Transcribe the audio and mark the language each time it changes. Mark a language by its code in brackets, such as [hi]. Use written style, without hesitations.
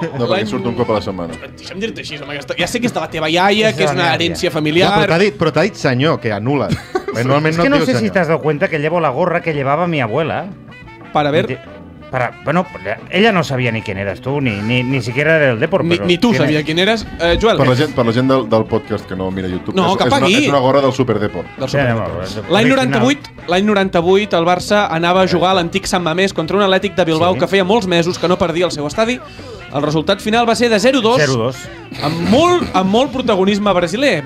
[ca] No, perquè surt un cop a la setmana. Deixa'm dir-te així, home, aquesta... Ja sé que és de la teva iaia, que és una herència familiar... Ja, però t'ha dit senyor, que anula. Sí. Normalment no et senyor. És [es] que no sé si t'has dado cuenta que llevo la gorra que llevava mi abuela. Para ver... Para, bueno, ella no sabia ni quién eres tú, ni siquiera del Depor. Ni tú sabia quién eres, Joel. [ca] Per la gent del podcast que no mira YouTube. No, cap aquí. És una gorra del Superdepor. L'any 98, el Barça anava a jugar a l'antic Sant Mamés contra un Atlètic de Bilbao que feia molts mesos que no perdia el seu estadi. El resultat final va ser de 0-2. Amb molt protagonisme brasiler.